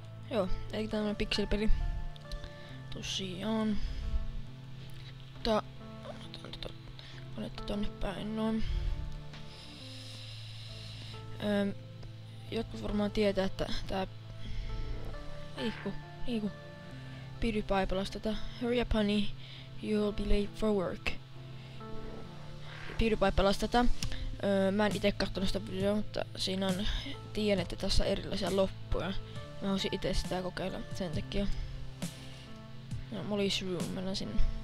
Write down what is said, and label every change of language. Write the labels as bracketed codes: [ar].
[fi] Joo, eli tämmönen pikselipeli. Tosiaan. Otetaan tätä konetta tonne päin noin. Jotkut varmaan tietää, että tää... Liikku. PewDiePie pelas tätä. [en] Hurry up honey, you'll be late for work. [fi] PewDiePie pelas tätä. Mä en itse katsonut sitä videoa, mutta siinä on, tiedän, että tässä on erilaisia loppuja. Mä haluaisin itse sitä kokeilla sen takia. No, Molly's Room, mennään sinne.